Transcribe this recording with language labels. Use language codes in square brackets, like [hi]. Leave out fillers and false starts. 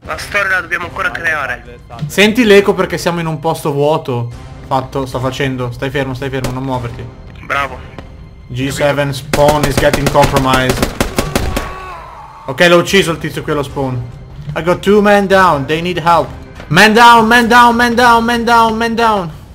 [it] La storia la dobbiamo ancora creare. Senti l'eco perché siamo in un posto vuoto. Fatto, sta facendo. Stai fermo, non muoverti. Bravo. [en] G7 spawn is getting compromised. [it] Ok, l'ho ucciso il tizio qui allo spawn. [en] I got two men down, they need help. Man down, man down, man down, man down, man down.